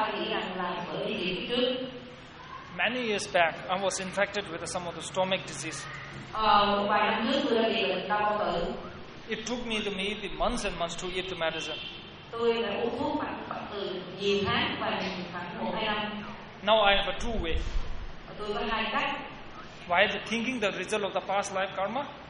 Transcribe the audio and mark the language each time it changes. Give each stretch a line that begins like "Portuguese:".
Vietnamese: phải nghĩ rằng là bởi trước.
English: Many years back, I was infected with some of the stomach disease.
Vietnamese: Một vài năm trước tôi đã bị bệnh đau tử.
English: It took me to maybe months and months to eat the medicine.
Vietnamese: Tôi đã uống thuốc từ nhiều tháng và khoảng một năm.
English: Now I have a true way.
Vietnamese: Tôi có hai cách.
English: Why is thinking the result of the past life karma?